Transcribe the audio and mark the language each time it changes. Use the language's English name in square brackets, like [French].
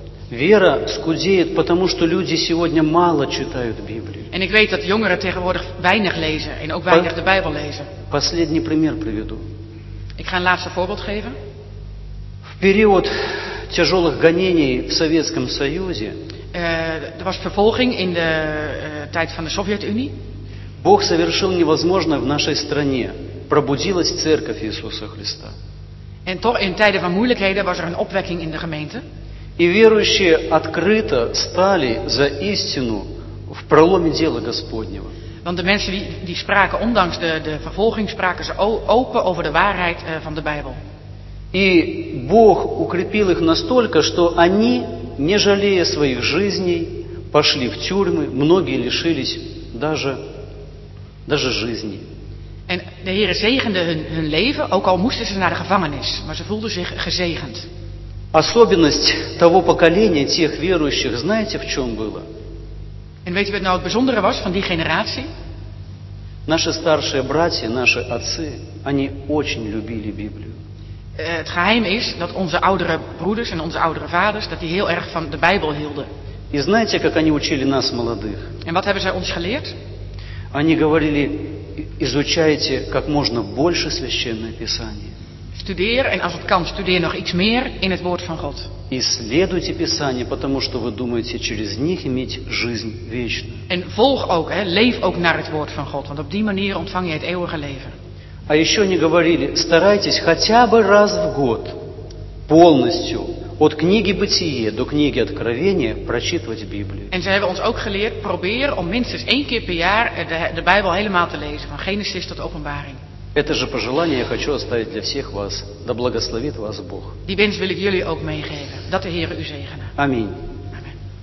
[Russian] Вера скудеет, потому что люди сегодня мало читают Библию. [Dutch] En ik weet dat jongeren tegenwoordig weinig lezen en ook weinig de Bijbel lezen. [Russian] Последний пример приведу. [Dutch] Ik ga een laatste voorbeeld geven. [Russian] В период тяжелых гонений в Советском Союзе. [Dutch] Er was vervolging in de tijd van de Sovjet-Unie. [Russian] Бог совершил невозможное в нашей стране. Пробудилась Церковь Иисуса Христа. [Dutch] En toch in tijden van moeilijkheden was er een opwekking in de gemeente. [Russian] И верующие открыто стали за истину в проломе дела Господнего. [Dutch] Want de mensen die spraken, ondanks de vervolging, spraken ze open over de waarheid van de Bijbel. [Russian] И Бог укрепил их настолько, что они, не жалея своих жизней, пошли в тюрьмы, многие лишились даже жизни. [Dutch] En de Heer zegende hun leven, ook al moesten ze naar de gevangenis, maar ze voelden zich gezegend. [Russian] Особенность того поколения, тех верующих, знаете, в чем было? [Dutch] En weet je wat nou het bijzondere was van die generatie? [Russian] Наши старшие братья, наши отцы, они очень любили Библию. [Dutch] Het geheim is dat onze oudere broeders en onze oudere vaders, dat die heel erg van de Bijbel hielden. [Russian] И знаете, как они учили нас, молодых? [Dutch] En wat hebben zij ons geleerd? [Russian] Они говорили, изучайте как можно больше Священное Писание. [Dutch] Studeer en als het kan studeer nog iets meer in het woord van God. [Russian] Исследуйте Писание, потому что вы думаете через них иметь жизнь вечную. [Dutch] En volg ook, hè, leef ook naar het woord van God, want op die manier ontvang je het eeuwige leven. [Russian] А еще они говорили, старайтесь хотя бы раз в год полностью от книги Бытие до книги Откровения прочитывать Библию. [Dutch] En ze hebben ons ook geleerd, probeer om minstens één keer per jaar de Bijbel helemaal te lezen, van Genesis tot Openbaring. [Russian] Это же пожелание я хочу оставить для всех вас. Да благословит вас Бог. [Dutch] Die wens wil ik jullie ook meegeven. Dat de Heer u zegene. [Russian] Аминь. Аминь.